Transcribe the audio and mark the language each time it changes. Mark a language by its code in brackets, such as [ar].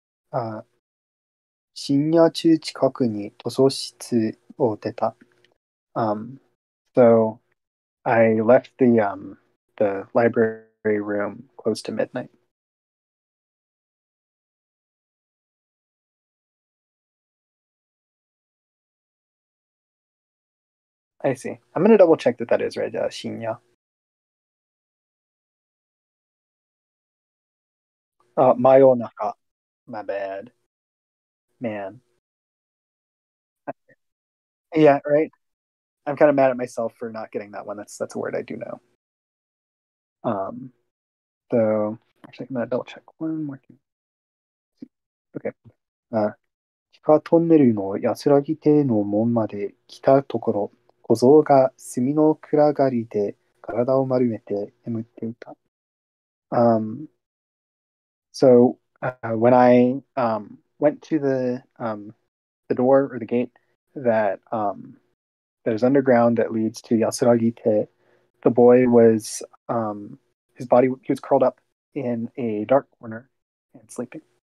[ja] あ、深夜中近くに図書室を出た。 [en] So I left the library room close to midnight. I see. I'm gonna double check that is right, 深夜。真夜中。My bad. Man. Yeah, right? I'm kind of mad at myself for not getting that one. That's a word I do know. So actually I'm gonna double check one more thing. Okay. [ja] 地下トンネルの安らぎ亭の門まで来たところ、小僧が炭の暗がりで体を丸めて眠っていた。 [en] So when I went to the door or the gate that is underground that leads to Yasuragi-te, the boy was his body he was curled up in a dark corner and sleeping.